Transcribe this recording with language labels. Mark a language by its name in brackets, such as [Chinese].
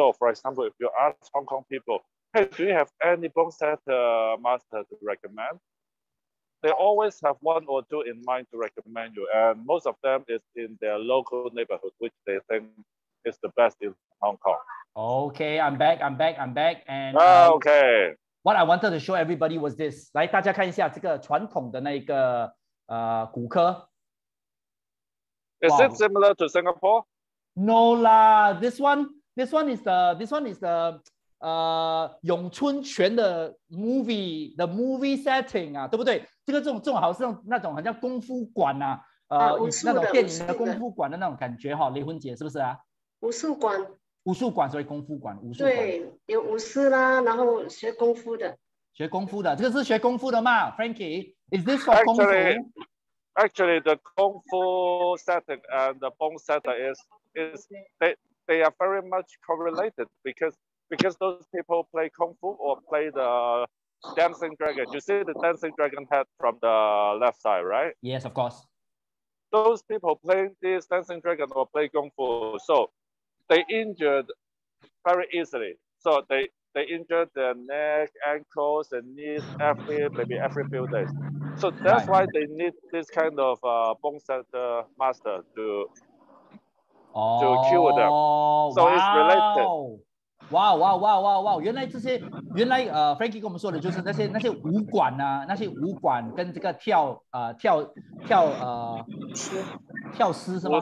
[English] So for example, if you ask Hong Kong people, hey, do you have any bone setter master to recommend? They always have one or two in mind to recommend you, and most of them is in their local neighborhood, which they think is the best in Hong Kong. Okay, I'm back. And okay. What I wanted to show everybody was this. [Chinese] 来，大家看一下这个传统的那个骨科。 [English] Is it similar to Singapore? No la. This one is the [Chinese] 咏春拳的 [English] movie setting [Chinese] 啊，对不对？这个这种好像那种很像功夫馆啊，那种电影的功夫馆的那种感觉哈，雷魂姐是不是啊？武术馆。武术馆，所以功夫馆，武术馆。对，有武士啦，然后学功夫的。学功夫的，这个是学功夫的吗 ？Frankie, [English] is this for [Chinese] 功夫 [English] ？Actually, the kung fu setting and the bone setting is they are very much correlated because those people play kung fu or play the dancing dragon. You see the dancing dragon head from the left side, right? Yes, of course. Those people play this dancing dragon or play kung fu, so they injured very easily. So they injured their neck, ankles, and knees every few days. So that's right. Why they need this kind of bone setter master to cure them. So It's related. Wow, wow, wow, wow, wow! [Chinese] 原来这些，原来Frankie 跟我们说的就是那些武馆啊，那些武馆跟这个跳跳师是吗？